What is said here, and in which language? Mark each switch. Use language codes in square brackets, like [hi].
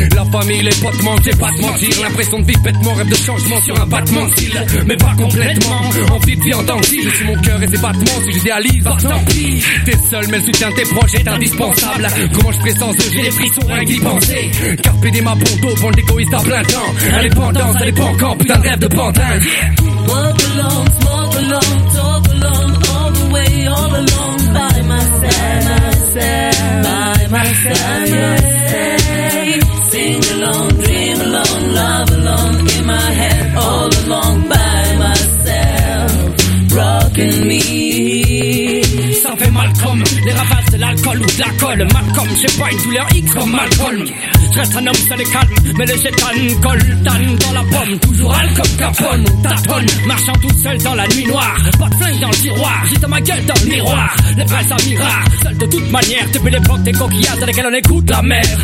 [fr] La famille, les potes manquent, j'ai pas de mentir. L'impression de vivre bêtement, rêve de changement sur un battement de cils. Mais pas complètement, envie de vie en tant que cible. Si mon cœur et ses battements, si j'idéalise, bah tant pis. T'es seul, mais le soutien t'es projet est indispensable. Comment je ferais sans eux, j'ai des frissons, rien qu'y penser. Carpe diem à bon dos, vendre l'égoïste à plein temps. Indépendance, allez pas encore, putain de rêve de pantin. [en] Yeah. Walk along, walk along, talk along, all the way, all along, by myself, by myself, by myself. Sing along, dream along, love along, in my head, all along, by myself, rocking me. [fr] Ça fait mal comme les ravages. L'alcool ou de la colle, Malcolm, j'ai pas une douleur X comme Malcolm. Je reste un homme, ça les calme, mais le chétan colle, tanne dans la pomme. Toujours alcool, carbone, tâtonne, marchant tout seul dans la nuit noire. Pas de flingue dans le tiroir, j'étais ma gueule dans le miroir. Les princes amis rares, seuls de toute manière, depuis les plantes des coquillages dans lesquelles on écoute la mer.